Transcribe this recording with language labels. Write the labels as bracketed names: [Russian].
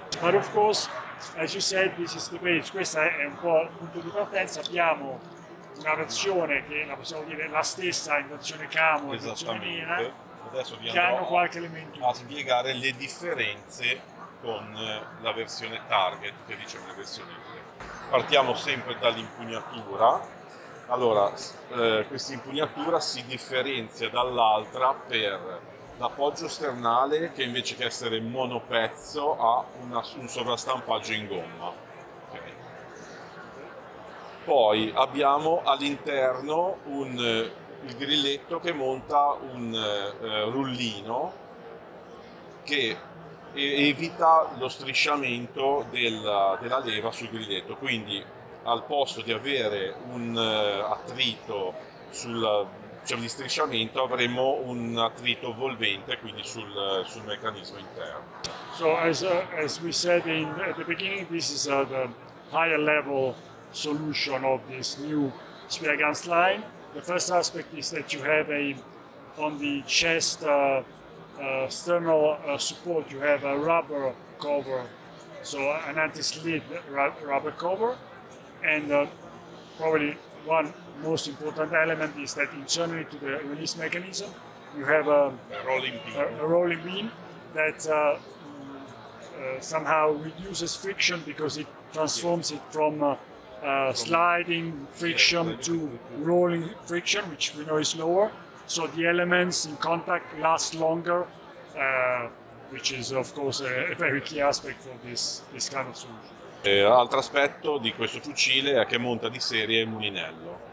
[English] But of course, as you said, this is the base. [Italian] Questa è un po' il punto di partenza. Abbiamo una versione che la possiamo dire la stessa in versione camo e versione mira. Adesso vi che hanno qualche elemento a spiegare le differenze con la versione target, che diciamo la versione 2. Partiamo sempre dall'impugnatura. Allora, questa impugnatura si differenzia dall'altra per l'appoggio sternale, che invece che essere monopezzo ha un sovrastampaggio in gomma. Okay. Poi abbiamo all'interno il grilletto che monta un rullino che evita lo strisciamento della leva sul grilletto. Quindi al posto di avere un attrito sul c'è un istrisciamento, avremo un attrito volvente, quindi sul meccanismo interno. [English] So as we said at the beginning, this is the higher level solution of this new spear gun line. The first aspect is that you have on the chest external support, you have a rubber cover, so an anti-slip rubber cover, and probably one most important element is that internally to the release mechanism, you have a rolling beam that somehow reduces friction because it transforms it from sliding friction to rolling friction, which we know is lower. So the elements in contact last longer, which is of course a very key aspect for this kind of solution. [Italian] Altro aspetto di questo fucile è che monta di serie il mulinello.